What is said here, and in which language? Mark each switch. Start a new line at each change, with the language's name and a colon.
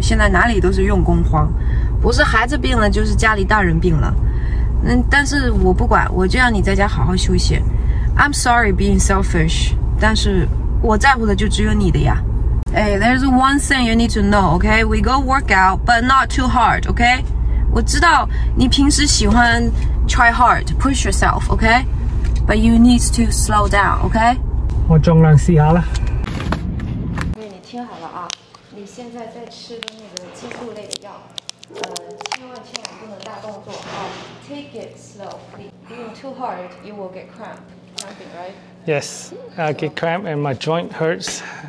Chinese: 现在哪里都是用工荒，不是孩子病了，就是家里大人病了。嗯，但是我不管，我就让你在家好好休息。
English: I'm sorry being selfish,
Chinese: 但是我在乎的就只有你的呀。
English: Hey, there's one thing you need to know. Okay, we go work out, but not too hard. Okay.
Chinese: 我知道你平时喜欢
English: try hard, push yourself, okay? But you need to slow down, okay?
Chinese: 我尽量试下啦。喂，你听好了啊，你现在在吃的那个激素类的药，千万不能大动作啊。
English: Take it slow. Being too hard, you will get cramp. Cramping, right? Yes, I get cramp and my joint hurts.